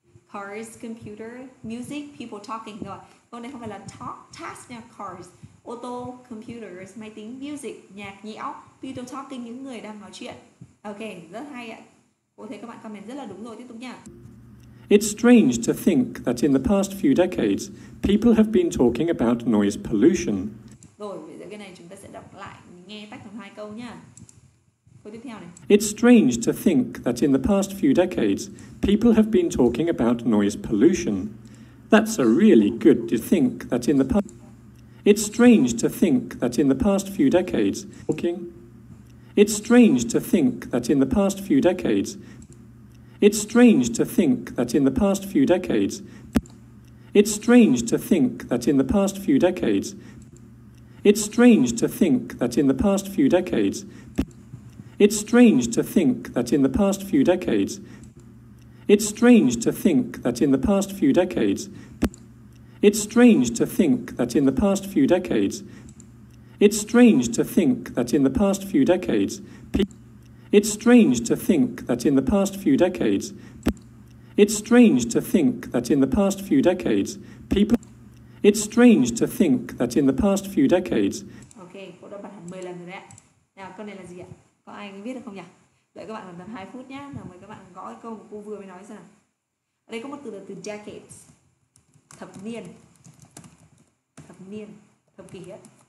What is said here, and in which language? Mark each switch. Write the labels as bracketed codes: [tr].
[en] Cars, computer, music, people talking. [vi] Rồi, câu này không phải là task nha. Cars, ô tô, computers, máy tính, music, nhạc, nhẽo, people talking, những người đang nói chuyện. Ok, rất hay ạ. Cô thấy các bạn comment rất là đúng rồi, tiếp tục nha. [en] It's strange to think that in the past few decades, people have been talking about noise pollution. [vi] Rồi, bây giờ cái này chúng ta sẽ đọc lại, nghe tách thành hai câu nha. Câu tiếp theo này. [en] It's strange to think that in the past few decades, people have been talking about noise pollution. That's a really good to think that in the past... It's strange to think that in the past few decades... Talking. It's strange to think that in the past few decades... It's strange to think that in the past few decades... It's strange to think that in the past few decades... It's strange to think that in the past few decades... It's strange to think that in the past few decades... It's strange to think that in the past few decades... It's strange to think that in the past few decades... It's strange to think that in the past few decades... It's strange to think that in the past few decades... It's strange to think that in the past few decades... People... It's strange to think that in the past few decades... [vi] Okay, cô đã bật hẳn 10 lần rồi đấy ạ. Nào, câu này là gì ạ? Có ai biết được không nhỉ? Đợi các bạn tầm 2 phút nhé. Nào, mời các bạn gõ cái câu mà cô vừa mới nói xem. Ở đây có một từ là từ decades. Thập niên. Thập niên. Thập kỷ ạ.